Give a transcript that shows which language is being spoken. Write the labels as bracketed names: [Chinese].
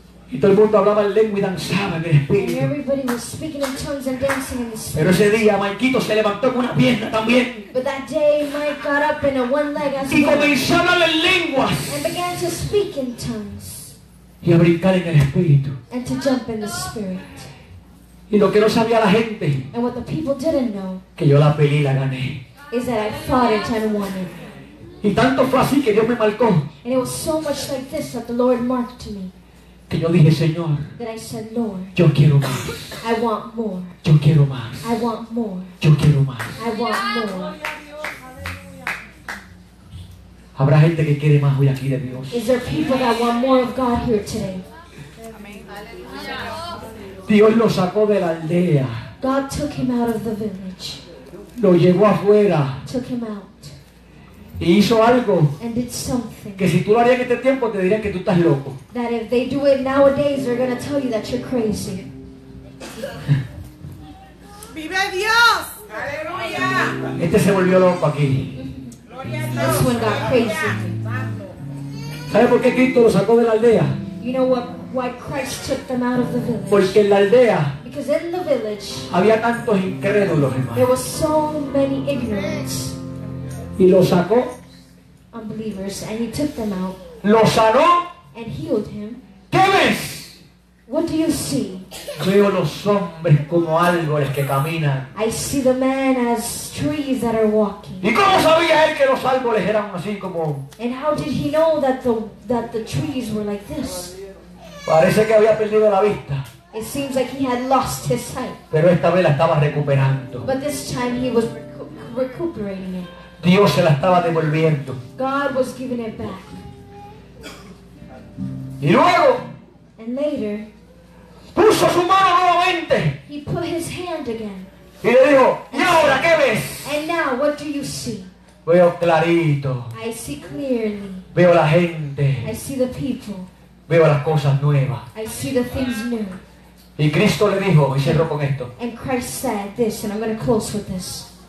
[Spanish] Y todo el mundo hablaba en lengua y danzaba en el Espíritu. [English] And everybody was speaking in tongues and dancing in the Spirit. [Spanish] Pero ese día Maikito se levantó con una pierna también. [English] But that day Mike got up in a one leg as [Spanish] y comenzó a hablar en lenguas. [English] And began to speak in tongues. [Spanish] Y a brincar en el Espíritu. [English] And to jump in the Spirit. [Spanish] Y lo que no sabía la gente. [English] And what the people didn't know. [Spanish] Que yo la peleé y la gané. [English] Is that I fought it and won it. [Spanish] Y tanto fue así que Dios me marcó. [English] And it was so much like this that the Lord marked me. [Spanish] Que yo dije, Señor, [English] that I said, Lord, [Spanish] yo quiero más. [English] I want more. [Spanish] Yo quiero más. [English] I want more. [Spanish] Yo quiero más. [English] I want more. [Spanish] Habrá gente que quiere más hoy aquí de Dios. [English] Is there people that want more of God here today? [Spanish] Dios lo sacó de la aldea. [English] God took him out of the village. [Spanish] Lo llevó afuera. [English] Took him out. [Spanish] y hizo algo [English] and did something. [Spanish] Que si tú lo harías en este tiempo te dirían que tú estás loco. [English] That if they do it nowadays, they're gonna tell you that you're crazy. [Spanish] ¡Vive Dios! ¡Aleluya! Este se volvió loco aquí. ¡Gloria a Dios! [English] This one got crazy. [Spanish] ¿Sabe por qué Cristo lo sacó de la aldea? [English] You know what, why Christ took them out of the village? [Spanish] Porque en la aldea, [English] because in the village, [Spanish] había tantos incrédulos, hermanos. [English] There was so many ignorant. [Spanish] Y lo sacó. [English] Unbelievers, and he took them out. [Spanish] Lo sanó. [English] And healed him. [Spanish] ¿Qué ves? [English] What do you see? [Spanish] Veo los hombres como árboles que caminan. [English] I see the men as trees that are walking. [Spanish] ¿Y cómo sabía él que los árboles eran así como? [English] And how did he know that the trees were like this? [Spanish] Parece que había perdido la vista. [English] It seems like he had lost his sight. [Spanish] Pero esta vez la estaba recuperando. [English] But this time he was recuperating it. [Spanish] Dios se la estaba devolviendo. [English] God was giving it back. [Spanish] Y luego. [English] And later. [Spanish] Puso su mano nuevamente. [English] He put his hand again. [Spanish] Y le dijo, ¿y ahora qué ves? [English] And now, what do you see? [Spanish] Veo clarito. [English] I see clearly. [Spanish] Veo la gente. [English] I see the people. [Spanish] Veo las cosas nuevas. [English] I see the things new. [Spanish] Y Cristo le dijo, y cerró con esto. [English] And Christ said this, and I'm going to close with this.